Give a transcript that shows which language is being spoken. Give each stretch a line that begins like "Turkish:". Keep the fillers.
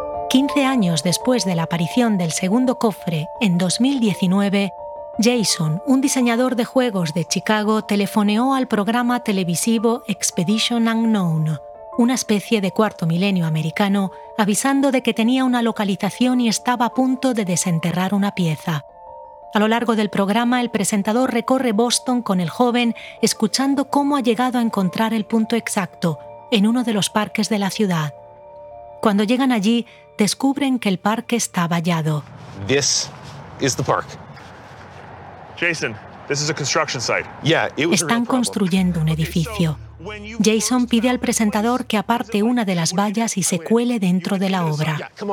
Spanish: 15 años después de la aparición del segundo cofre, en 2019, Jason, un diseñador de juegos de Chicago, telefoneó al programa televisivo Expedition Unknown, una especie de cuarto milenio americano, avisando de que tenía una localización y estaba a punto de desenterrar una pieza. A lo largo del programa, el presentador recorre Boston con el joven, escuchando cómo ha llegado a encontrar el punto exacto, en uno de los parques de la ciudad. Cuando llegan allí, descubren que el parque está vallado.
English: This is the park. Jason, this is a construction site. Yeah, it was
Spanish: Están construyendo un edificio. Jason pide al presentador que aparte una de las vallas y se cuele dentro de la obra.